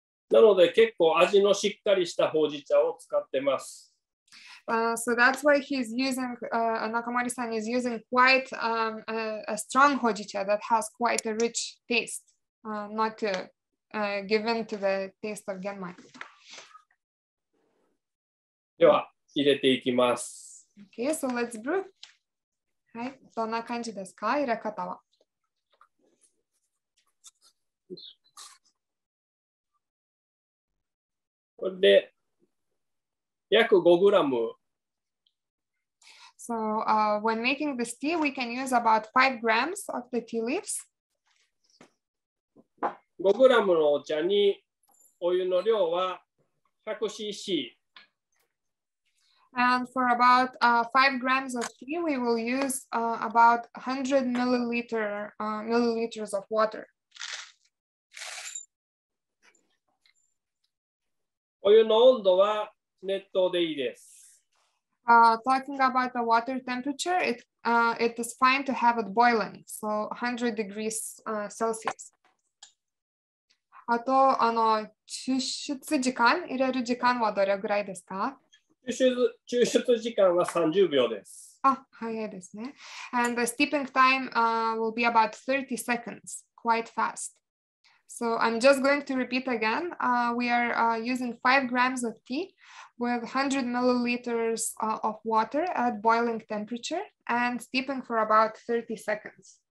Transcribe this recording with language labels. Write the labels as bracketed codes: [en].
[ja] なので結構味のしっかりしたほうじ茶を使ってます。 [en] So that's why he's using, Nakamori-san is using quite a strong hojicha that has quite a rich taste, not to give in to the taste of genmai. [ja] では入れていきます。 [en] Okay, so let's brew. [ja] はい、どんな感じですか、入れ方は。これで約5グラム。 [en] So, when making this tea, we can use about 5 grams of the tea leaves. [ja] 5グラムのお茶にお湯の量は 100cc. [en] And for about 5 grams of tea, we will use about 100 milliliters of water. [ja] お湯の温度は熱湯でいいです。 [en] Talking about the water temperature, it is fine to have it boiling, so 100 degrees Celsius. [ja] あと、抽出時間、入れる時間はどれぐらいですか？抽出時間は30秒です。あ、早いですね。 [en] And the steeping time will be about 30 seconds, quite fast. So I'm just going to repeat again. We are using 5 grams of tea with 100 milliliters of water at boiling temperature and steeping for about 30 seconds.